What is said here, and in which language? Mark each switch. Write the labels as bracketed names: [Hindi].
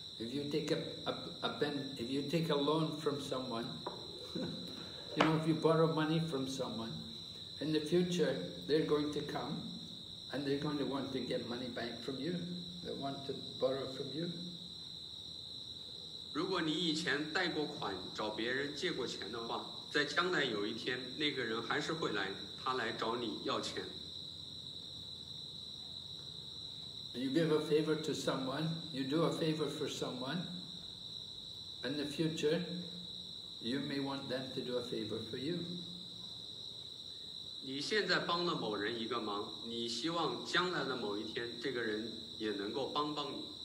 [English] If you take a loan from someone, you know, if you borrow money from someone, in the future they're going to come, and they're going to want to get money back from you. They want to borrow from you. [Chinese] 如果你以前贷过款找别人借过钱的话，在将来有一天那个人还是会来，他来找你要钱。 [English] You give a favor to someone, you do a favor for someone, in the future, you may want them to do a favor for you. [Chinese] 你现在帮了某人一个忙，你希望将来的某一天，这个人也能够帮帮你。